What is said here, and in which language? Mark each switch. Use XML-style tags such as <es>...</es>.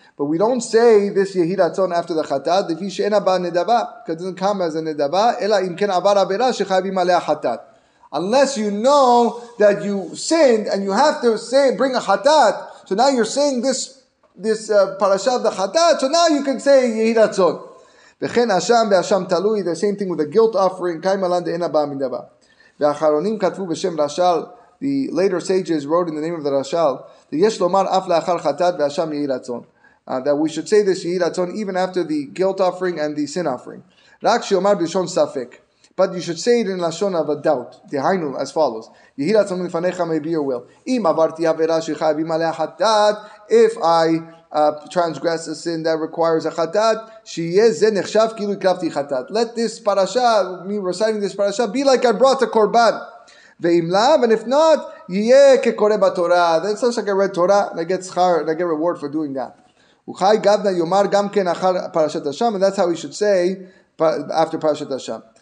<en>But we don't say this Yehi Ratzon after the chatat, if she ena ba nedava, because it doesn't come as a nedava, ela imken avar avera shechayvim alei chatat. Unless you know that you sinned and you have to say, bring a chatat, so now you're saying this parashat the chatat, so now you can say Yehi Ratzon. V'chen asham v'asham talui, the same thing with the guilt offering, kaimalan de ena ba nedava.</en> <he>והאחרונים כתבו בשם רשאל, the later sages wrote in the name of the רשאל, יש לומר אף לאחר חטאת והשם יהי רצון.</he> <en>That we should say this יהי רצון even after the guilt offering and the sin offering. רק שיאמר בלשון ספק. But you should say it in לשון of a doubt. דהיינו, as follows.</en> <he>יהי רצון לפניך may be your will. אם עברתי עבירה שחייבים עליה חטאת, if I transgress a sin that requires a chatat, שיהיה זה נחשב כאילו הקרבתי חטאת.</he> <en>Let this parasha, me reciting this parasha, be like I brought a korban.</en> <he>ואם לאו, and if not, יהיה כקורא בתורה.</he> <en>That's just like I read Torah, and I get reward for doing that.</en> <he>וחי גבנה יאמר גם כן אחר פרשת השם, and that's how we should say after פרשת השם.</he>